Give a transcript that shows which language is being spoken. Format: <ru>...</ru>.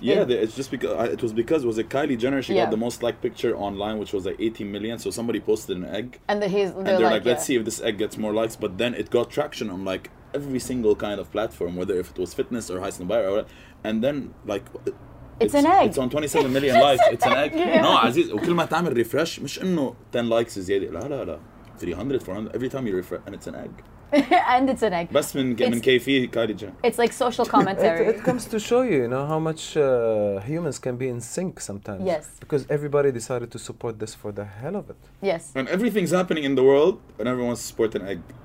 <en>Was it Kylie Jenner? She got the most liked picture online, which was like 18 million. So somebody posted an egg. And they're like, let's see if this egg gets more likes. But then it got traction on like every single kind of platform, whether if it was fitness or Heist and Buyer or whatever. And then like. It's an egg. It's on 27 million likes. It's an egg. Yeah. No,</en> <ar>Aziz, وكل ما تعمل refresh, مش إنه</ar> <en>10 likes is</en> <ar>زيادة. لا لا لا. 300, 400.</ar> <en>Every time you refresh, and it's an egg. And it's an egg. Best</en> <ar>من</ar> <en>KF, Kylie Jenner. It's like social commentary. it comes to show you, you know, how much humans can be in sync sometimes. Yes. Because everybody decided to support this for the hell of it. Yes. And everything's happening in the world, and everyone wants to support an egg.</en>